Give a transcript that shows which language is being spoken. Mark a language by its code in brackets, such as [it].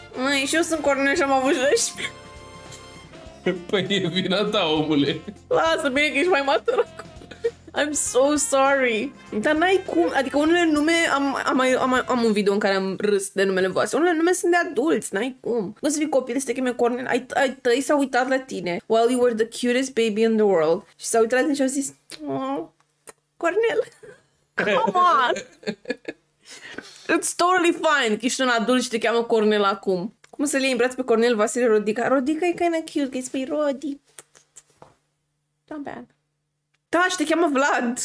[ro] Măi, și eu sunt Cornel și am avut 16. Păi e vina ta, omule. Lasă, bine că ești mai matură. [en] I'm so sorry. [ro] Dar n-ai cum, adică unele nume am un video în care am râs de numele voastre. Unele nume sunt de adulți, n-ai cum. Nu să fii copil, să te cheme Cornel. Ai tăi s-au uitat la tine [en] while you were the cutest baby in the world. [ro] Și s-au uitat la tine și au zis, Cornel, [en] come on. It's totally fine [ro] că ești un adult și te cheamă Cornel acum. Cum să-l iei în braț pe Cornel Vasile Rodica? Rodica e [en] kind of cute, [ro] că îi spui Rodi. [en] Not bad. [ro] Da, și te cheamă Vlad.